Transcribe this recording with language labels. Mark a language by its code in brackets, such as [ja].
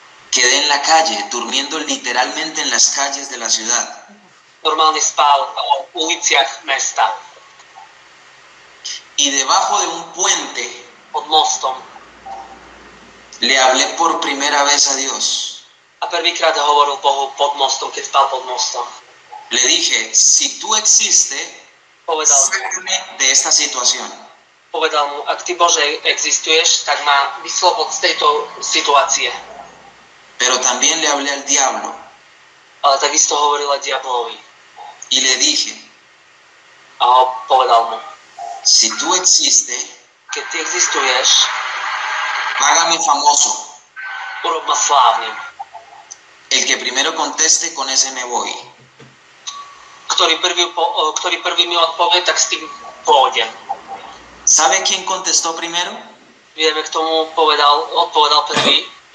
[es] Quedé en la calle, durmiendo literalmente en las calles de la ciudad. [sk] Normálne spal v uliciach mesta. [es] Y debajo de un puente, [sk] pod mostom, [es] le hablé por primera vez a Dios. [sk] A prvýkrát hovoril Bohu pod mostom, keď spal pod mostom. [es] Le dije, si tú existe, sácame de esta situación. [sk] Povedal mu, ak ty Bože existuješ, tak ma vyslobod z tejto situácie. [es] Pero también le hablé al diablo. [sk] Ale takisto hovorila diablovi. [es] Y le dije. [sk] A ho povedal mu. [es] Si tú existe. [sk] Keď ty existuješ. [es] Hágame famoso. [sk] Urob ma slávnym. [es] El que primero conteste con ese me voy. [sk] Ktorý prvý mi odpovie, tak s tým pôjdem. [es] ¿Sabe quién contestó primero? [sk] Vieme, kto mu odpovedal prvý.